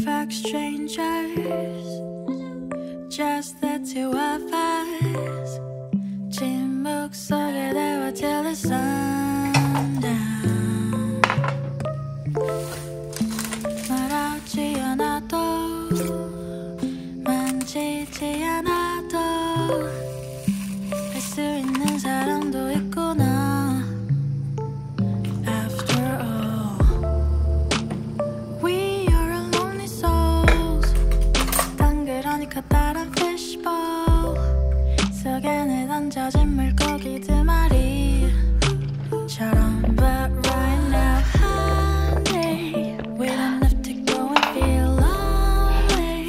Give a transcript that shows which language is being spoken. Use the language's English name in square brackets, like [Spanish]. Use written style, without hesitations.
[English] Strangers, just the two of us. [Korean] 침묵 속에 대화 [English] till the sundown. [Korean] 말하지 않아도 만지지 않아도 할 수 있는 사람도 있구나. [English] After all, we are a lonely souls. [Korean] 딴 그러니까 따라 fishbowl 속에 던져진 물고기 두 마리처럼. [English] But right now, honey, we don't have to go and feel lonely.